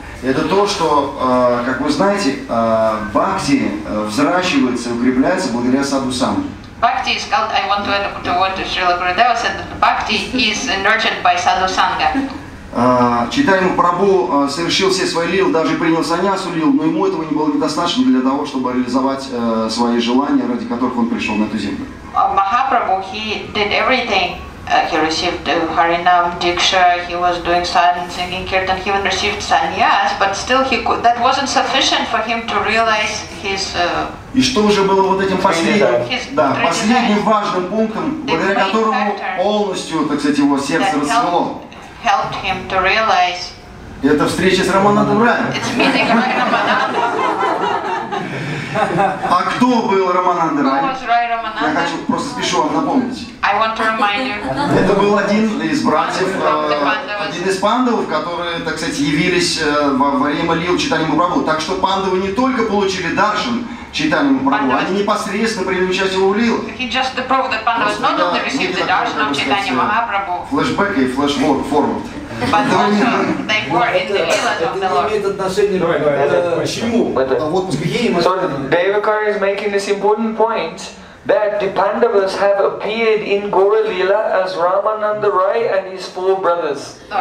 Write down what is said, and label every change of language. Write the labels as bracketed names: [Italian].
[Russian] Это то, что, как вы знаете, бхакти взращивается, укрепляется благодаря садху-сангу. [English] Bhakti is called, I want to add to what Srila Gurudeva said, that bhakti is nurtured by sadhu-sangha. [Russian] Читаем, Прабху совершил все свои лил, даже принял саньясу лил, но ему этого не было недостаточно для того, чтобы реализовать свои желания, ради которых он пришел на эту землю. [English] Махапрабху, he did everything. He received Harinam, Diksha, he was doing silent singing, Kirtan, he even received sannyas, but still he could, that wasn't sufficient for him to realize his... [Russian] И что же было вот этим последним важным пунктом, благодаря которому полностью, так сказать, его сердце расцвело? [English] Helped him to realize... [Russian] Это встреча с Рамананда Раем. [English] It's meeting Рамананда. [Russian] А кто был Рамананда Рай? Я хочу, просто спешу вам напомнить. [English] I want to remind you. [Russian] Это был один из братьев, один из пандавов, которые, так сказать, явились во время лил Чайтанья Прабху. Так что пандавы не только получили даршан Чайтанья Прабху, они непосредственно приняли участие в лил. [English] He just to prove that pandavas not only received the darshan of Chaitanya Mahaprabhu. [Russian] Флешбэк и флешфорвард. [English] But also they were in the lila of the Lord. [Russian] Это не имеет отношения. Почему? [English] So Devakar is making this important point that the Pandavas have appeared in Gaura Lila as Ramananda Rai and his four brothers.